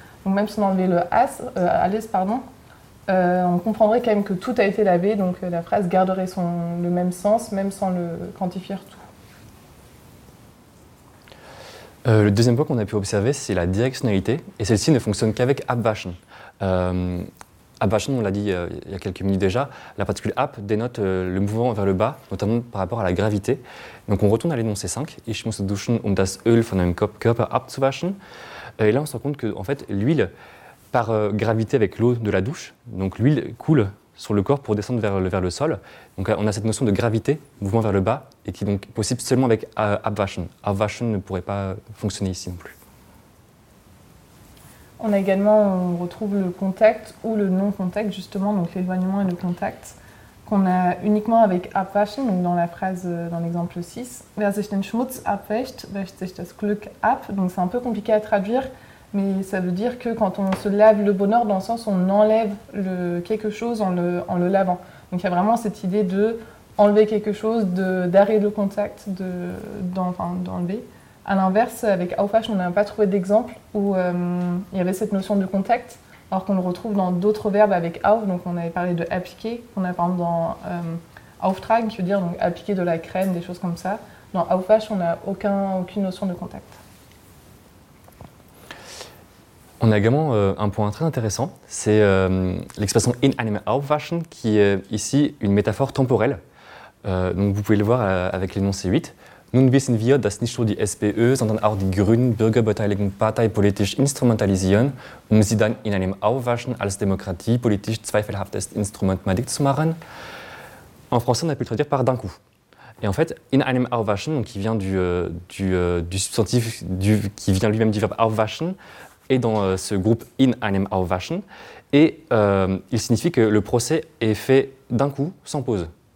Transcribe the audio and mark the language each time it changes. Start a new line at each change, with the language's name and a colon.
French: Donc même si on enlevait le on comprendrait quand même que tout a été lavé, donc la phrase garderait le même sens, même sans le quantifier tout. Le deuxième point qu'on a pu observer, c'est la directionnalité, et celle-ci ne fonctionne qu'avec abwaschen. Abwaschen, on l'a dit il y a quelques minutes déjà, la particule ab dénote le mouvement vers le bas, notamment par rapport à la gravité. Donc on retourne à l'énoncé 5,
German: ich muss duschen, um das Öl von einem Körper abzuwaschen.
French: Et là, on se rend compte que, en fait, l'huile, par gravité avec l'eau de la douche, donc l'huile coule sur le corps pour descendre vers le sol. Donc on a cette notion de gravité, mouvement vers le bas, et qui est donc possible seulement avec abwaschen. Abwaschen ne pourrait pas fonctionner ici non plus. On a également, on retrouve le contact ou le non-contact, justement, donc l'éloignement et le contact, qu'on a uniquement avec abwaschen, donc dans la phrase, dans l'exemple 6.
German: Wer sich den Schmutz abwäscht, wäscht sich das Glück ab.
French: Donc c'est un peu compliqué à traduire, mais ça veut dire que quand on se lave le bonheur, dans le sens où on enlève quelque chose en le lavant. Donc il y a vraiment cette idée d'enlever quelque chose, d'arrêter le contact, d'enlever. À l'inverse, avec Auf-Waschen, on n'a pas trouvé d'exemple où il y avait cette notion de contact, alors qu'on le retrouve dans d'autres verbes avec Auf. Donc on avait parlé de appliquer, qu'on a par exemple dans Auftragen, qui veut dire donc, appliquer de la crème, des choses comme ça. Dans Auf-Waschen, on n'a aucune notion de contact. On a également un point très intéressant, c'est l'expression in einem Auf-Waschen, qui est ici une métaphore temporelle. Donc vous pouvez le voir avec l'énoncé 8.
German: Nun wissen wir, dass nicht nur die SPÖ, sondern auch die Grünen bürgerbeteiligten Partei politisch instrumentalisieren, sie dann in einem Aufwaschen als Demokratie politisch zweifelhaftes Instrument madig zu machen.
French: En français, on a pu le traduire par d'un coup. Et en fait, in einem Aufwaschen, qui vient du substantif qui vient lui-même du verbe Aufwaschen, est dans ce groupe in einem Aufwaschen, et il signifie que le procès est fait d'un coup, sans pause.